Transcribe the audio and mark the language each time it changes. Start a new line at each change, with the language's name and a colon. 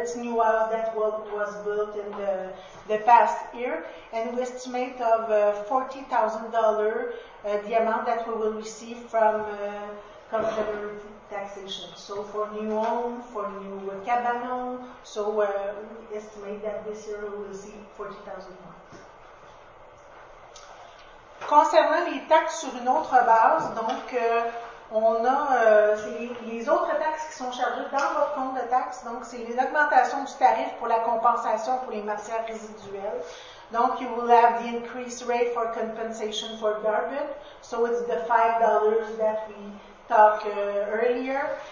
English: It's new house that was built in the past year, and we estimate of $40,000 the amount that we will receive from complementary taxation. So for new home, for new cabanon, so we estimate that this year we will see $40,000.
French: Concernant les taxes sur une autre base, donc on a les autres taxes qui sont chargées dans votre compte de taxes, donc c'est l'augmentation du tarif pour la compensation pour les matières résiduelles.
English: Donc, you will have the increased rate for compensation for garbage. So it's the $5 that we talked earlier.